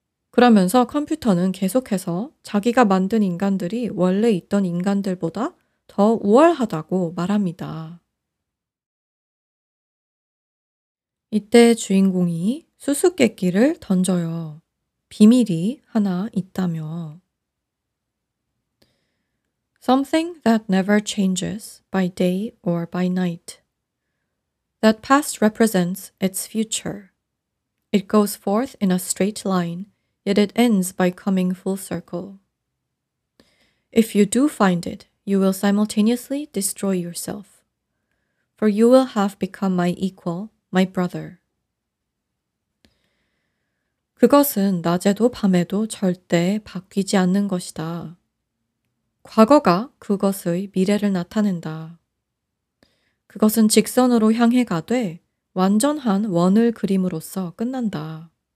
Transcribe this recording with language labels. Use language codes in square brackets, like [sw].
[ko] 그러면서 컴퓨터는 계속해서 자기가 만든 인간들이 원래 있던 인간들보다 더 우월하다고 말합니다. 이때 주인공이 수수께끼를 던져요. 비밀이 하나 있다며. [en] Something that never changes by day or by night. That past represents its future. It goes forth in a straight line, yet it ends by coming full circle. If you do find it, you will simultaneously destroy yourself. For you will have become my equal, my brother. [ko] 그것은 낮에도 밤에도 절대 바뀌지 않는 것이다. 과거가 그것의 미래를 나타낸다. 그것은 직선으로 향해 가되 완전한 원을 그림으로써 끝난다.